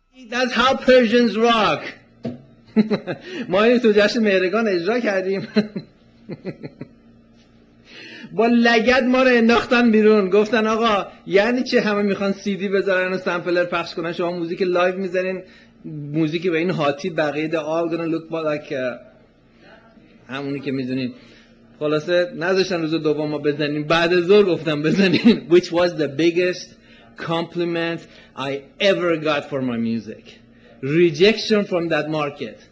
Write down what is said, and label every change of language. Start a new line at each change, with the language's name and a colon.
English: That's how Persians rock.
Persian: ما این تو جشن مهرگان اجرا کردیم. با لگد ما رو انداختن بیرون، گفتن آقا یعنی چه همه میخوان سی دی بذارن و سمپلر پخش کنن، شما موزیک لایو میذارین، موزیک به این حاتی، بقیه ده
English: all gonna look like
Persian: همونی که میدونین. خلاصه نذاشتن روز دوم ما بزنیم، بعد از ظهر گفتن بزنیم.
English: Which was the biggest compliment I ever got for my music. Rejection from that market.